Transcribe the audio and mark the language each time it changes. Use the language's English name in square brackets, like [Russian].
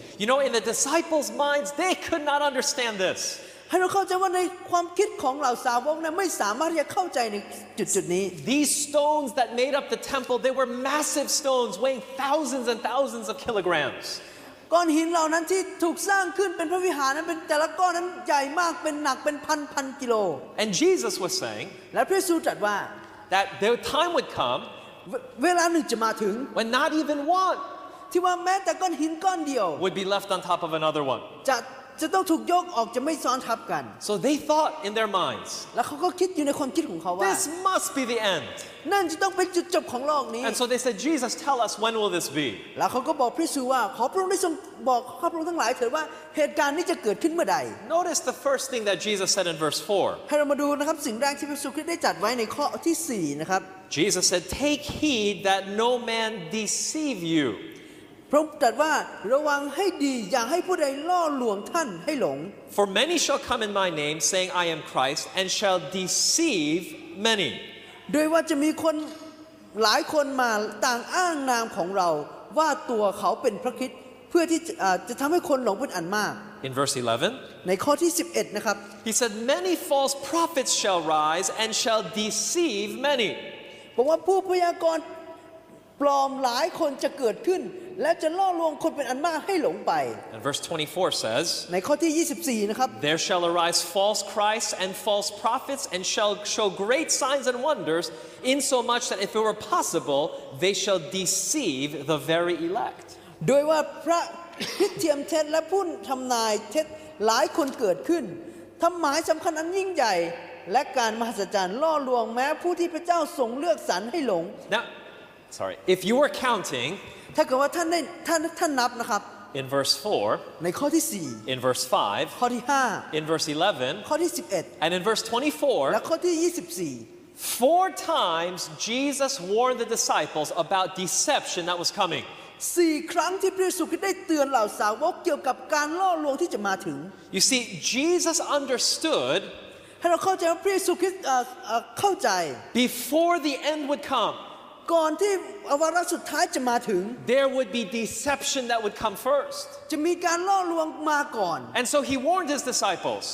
[English] You know, in the disciples' minds, they could not understand this. [Thai] ให้เราเข้าใจว่าในความคิดของเหล่าสาวกนั้นไม่สามารถที่จะเข้าใจในจุดนี้ [English] These stones that made up the temple, they were massive stones weighing thousands and thousands of kilograms. [Thai] ก้อนหินเหล่านั้นที่ถูกสร้างขึ้นเป็นพระวิหารนั้นเป็นแต่ละก้อนนั้นใหญ่มากเป็นหนักเป็นพันกิโล [English] And Jesus was saying, [Thai] และพระเยซูตรัสว่า [English] that their time would come, [Thai] เวลาหนึ่งจะมาถึง [English] when not even one. [Thai] ที่ว่าแม้แต่ก้อนหินก้อนเดียว [English] would be left on top of another one [Thai] จะต้องถูกยกออกจะไม่ซ้อนทับกัน [English] so they thought in their minds [Thai] แล้วเขาก็คิดอยู่ในความคิดของเขาว่า [English] this must be the end [Thai] นั่นจะต้องเป็นจุดจบของโลกนี้ [English] and so they said Jesus tell us when will this be [Thai] แล้วเขาก็บอกพระเยซูว่าขอพระองค์ได้ทรงบอกข้าพระองค์ทั้งหลายเถิดว่าเหตุการณ์นี้จะเกิดขึ้นเมื่อใด [English] notice the first thing that Jesus said in verse 4 [Thai] ให้เรามาดูนะครับสิ่งแรกที่พระเยซูคริสต์ได้จัดไว้ในข้อที่4นะครับ [English] Jesus said take heed that no man deceive you [Thai] พระองค์ตรัสว่าระวังให้ดีอย่าให้ผู้ใดล่อลวงท่านให้หลง [English] For many shall come in my name saying I am Christ and shall deceive many [Thai] ด้วยว่าจะมีคนหลายคนมาต่างอ้างนามของเราว่าตัวเขาเป็นพระคริสต์เพื่อที่จะทำให้คนหลงเป็นอันมาก [English] In verse 11 [Thai] ในข้อที่11นะครับ [English] He said many false prophets shall rise and shall deceive many [Thai] บอกว่าผู้พยากรณ์ปลอมหลายคนจะเกิดขึ้น และจะล่อลวงคนเป็นอันมากให้หลงไป [English] And verse 24 says [Thai] ในข้อที่24นะครับ [English] There shall arise false Christs and false prophets and shall show great signs and wonders in so much that if it were possible they shall deceive the very elect [Thai] โดยว่าพระคิดเทียมเท็จและผู้ทำนายเท็จหลายคนเกิดขึ้นทำหมายสำคัญอันยิ่งใหญ่และการมหัศจรรย์ล่อลวงแม้ผู้ที่พระเจ้าทรงเลือกสรรให้หลง [English] Now, sorry, if you were counting [Thai] ถ้าเกิดว่าท่านนับนะครับ [English] In verse 4 [Thai] ในข้อที่4 [English] In verse 5 [Thai] ข้อที่5 [English] In verse 11 [Thai] ข้อที่11 [English] And in verse 24 [Thai] และข้อที่24 [English] Four times Jesus warned the disciples about deception that was coming [Thai] 4ครั้งที่พระเยซูคริสต์ได้เตือนเหล่าสาวกเกี่ยวกับการล่อลวงที่จะมาถึง [English] You see Jesus understood [Thai] ให้เราเข้าใจว่าพระเยซูคริสต์เข้าใจ [English] Before the end would come [Thai] ก่อนที่วาระสุดท้ายจะมาถึง [English] There would be deception that would come first [Thai] จะมีการล่อลวงมาก่อน [English] And so he warned his disciples